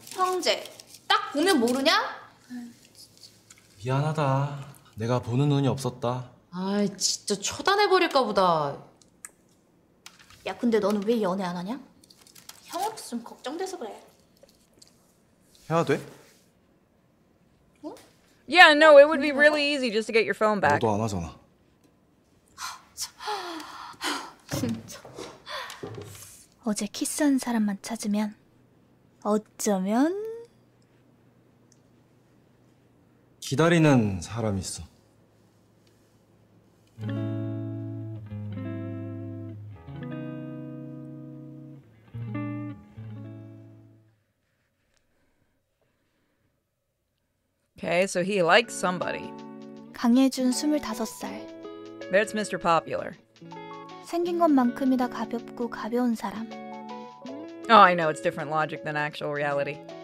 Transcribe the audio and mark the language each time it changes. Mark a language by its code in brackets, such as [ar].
[ko] 형제. 딱 보면 모르냐? 미안하다. 내가 보는 눈이 없었다. 아이, 진짜 초단해버릴까 보다. 야, 근데 너는 왜 연애 안 하냐? 형 없으면 걱정돼서 그래. 해야 돼? [en] Yeah, no, it would be really easy just to get your phone back. [ko] 너도 안 하잖아. 진짜. 어제 키스한 사람만 찾으면 어쩌면? 기다리는 사람 있어. [en] 오케이, okay, so he likes somebody. [ko] 강예준, 25살. [en] That's Mr. Popular. [ko] 생긴 것만큼이나 가볍고 가벼운 사람. [en] Oh, I know, it's different logic than actual reality.